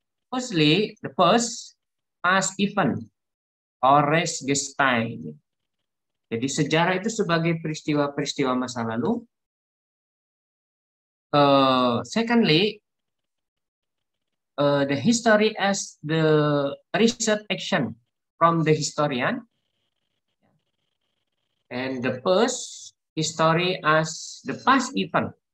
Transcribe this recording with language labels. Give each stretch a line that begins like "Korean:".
English: Firstly, the first past event or res gestae.
Indonesian: Jadi sejarah itu sebagai peristiwa-peristiwa masa lalu.
English: Secondly, the history as the research action from the historian. And the first history as the past event.